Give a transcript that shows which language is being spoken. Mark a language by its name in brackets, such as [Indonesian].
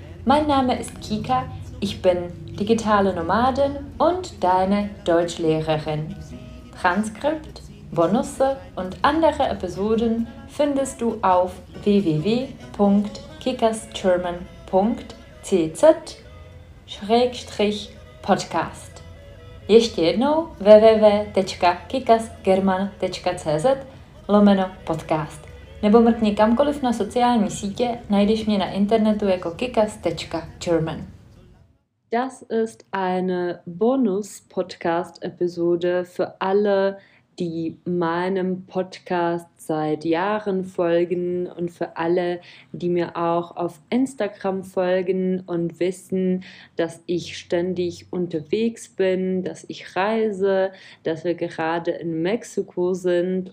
[German] Mein Name ist Kika, ich bin digitale Nomadin und deine Deutschlehrerin. Transkript, Bonusse und andere Episoden findest du auf www.kikasgerman.cz/podcast. [Czech] Ještě jednou www.kikasgerman.cz/podcast. Nebo mrkni kamkoliv na sociální sítě, najdeš mě na internetu jako kikas.german. [German] Das ist eine Bonus-Podcast-Episode für alle, die meinem Podcast seit Jahren folgen und für alle, die mir auch auf Instagram folgen und wissen, dass ich ständig unterwegs bin, dass ich reise, dass wir gerade in Mexiko sind.